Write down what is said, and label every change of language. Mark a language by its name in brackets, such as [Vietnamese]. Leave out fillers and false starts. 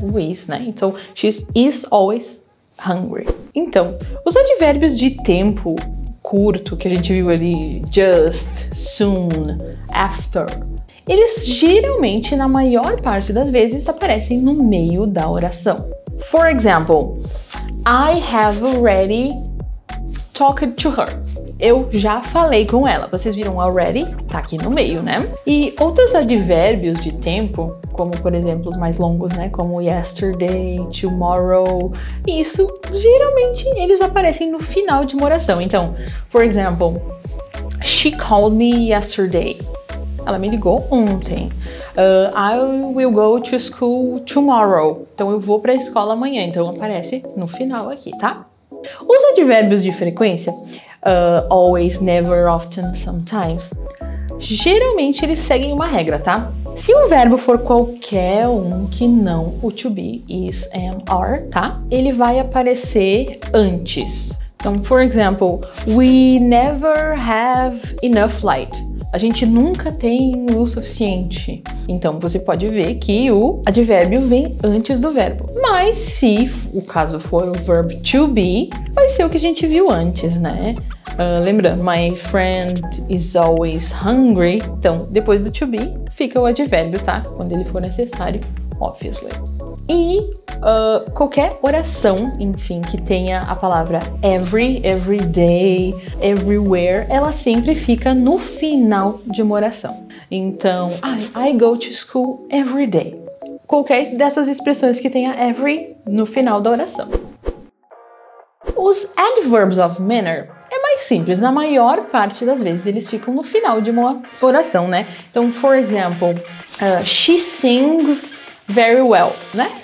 [Portuguese] O is, né? [English] Então she is always hungry. [Portuguese] Então, os advérbios de tempo curto que a gente viu ali, just, soon, after, eles geralmente, na maior parte das vezes, aparecem no meio da oração. [English] For example, I have already talked to her. [Portuguese] Eu já falei com ela. Vocês viram already? Tá aqui no meio, né? E outros advérbios de tempo, como, por exemplo, os mais longos, né? Como yesterday, tomorrow. Isso, geralmente, eles aparecem no final de uma oração. [English] Então, for example, she called me yesterday. [Portuguese] Ela me ligou ontem. [English] I will go to school tomorrow. [Portuguese] Então, eu vou pra escola amanhã. Então, aparece no final aqui, tá? Os advérbios de frequência, always, never, often, sometimes, geralmente eles seguem uma regra, tá? Se um verbo for qualquer um que não o to be, is, am, are, tá? Ele vai aparecer antes. [English] Então, for example, we never have enough light. [Portuguese] A gente nunca tem o suficiente. Então, você pode ver que o advérbio vem antes do verbo. Mas se o caso for o verbo to be, vai ser o que a gente viu antes, né? Lembra? [English] My friend is always hungry. [Portuguese] Então, depois do to be, fica o advérbio, tá? Quando ele for necessário, obviously. E qualquer oração, enfim, que tenha a palavra every, everyday, everywhere, ela sempre fica no final de uma oração. [English] Então, I go to school every day. [Portuguese] Qualquer dessas expressões que tenha every no final da oração. Os adverbs of manner é mais simples. Na maior parte das vezes, eles ficam no final de uma oração, né? [English] Então, for example, she sings very well, né?